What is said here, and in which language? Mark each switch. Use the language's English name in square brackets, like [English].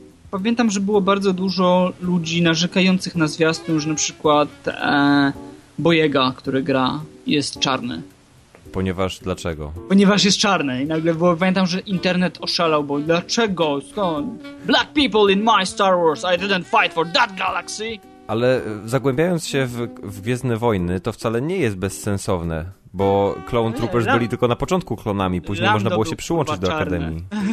[Polish] Pamiętam, że było bardzo dużo ludzi narzekających na zwiastun, że na przykład Boyega, który gra, jest czarny. Ponieważ dlaczego? Ponieważ jest czarny. I nagle było, pamiętam, że internet oszalał, bo dlaczego? Skąd? [English] Black people in my Star Wars, I didn't fight for that galaxy! [Polish] Ale zagłębiając się w Gwiezdne Wojny, to wcale nie jest bezsensowne, bo Clone Troopers byli tylko na początku klonami, później Lando można było się przyłączyć do Akademii.